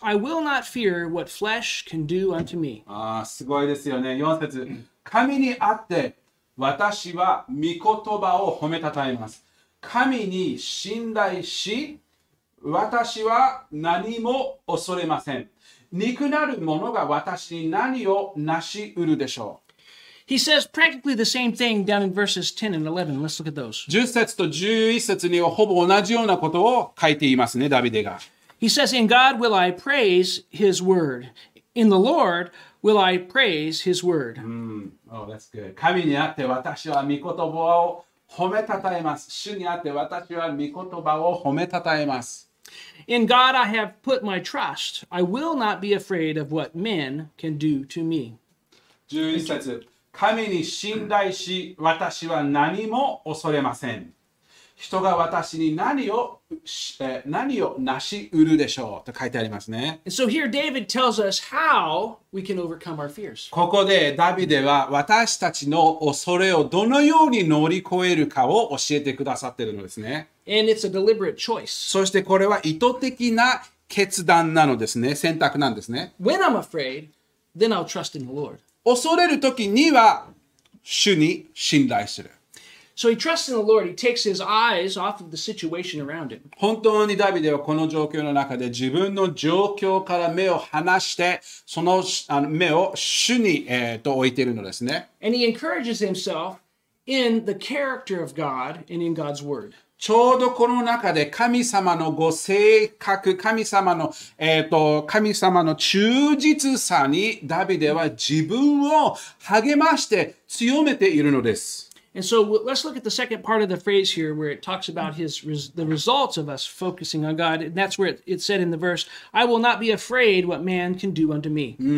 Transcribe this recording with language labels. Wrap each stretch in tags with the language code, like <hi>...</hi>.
<en>I will not fear what flesh can do unto me.</en> <ja>すごいですよね。4節。神にあって私は御言葉を褒めたたえます。神に信頼し、私は何も恐れません。肉なるものが私に何を成し得るでしょう。</ja> <en>He says practically the same thing down in verses 10 and 11. Let's look at those.</en> <ja>10節と11節にはほぼ同じようなことを書いていますね、ダビデが。</ja> <en>He says, In God will I praise his word. In the Lord will I praise his word. That's good.</en> <ja>神にあって私は御言葉を褒めたたえます。主にあって私は御言葉を褒めたたえます。</ja> <en>In God I have put my trust. I will not be afraid of what men can do to me.</en> <ja>11節。神に信頼し、私は何も恐れません。人が私に何を成し得るでしょうと書いてありますね。</ja> <en>So here David tells us how we can overcome our fears.</en> <ja>ここでダビデは私たちの恐れをどのように乗り越えるかを教えてくださっているのですね。</ja> <en>And it's a deliberate choice.</en> <ja>そしてこれは意図的な決断なのですね。選択なんですね。</ja> <en>When I'm afraid, then I'll trust in the Lord.</en> <ja>恐れるときには主に信頼する。</ja> <en>So he trusts in the Lord. He takes his eyes off of the situation around him.</en> <ja>本当にダビデはこの状況の中で自分の状況から目を離して、その目を主に、置いているのですね。</ja> <en>And he encourages himself in the character of God and in God's word.</en> <ja>ちょうどこの中で神様のご性格、神様の、神様の忠実さにダビデは自分を励まして強めているのです。</ja> <en>And so let's look at the second part of the phrase here where it talks about the results of us focusing on God. And that's where it said in the verse, I will not be afraid what man can do unto me.</en>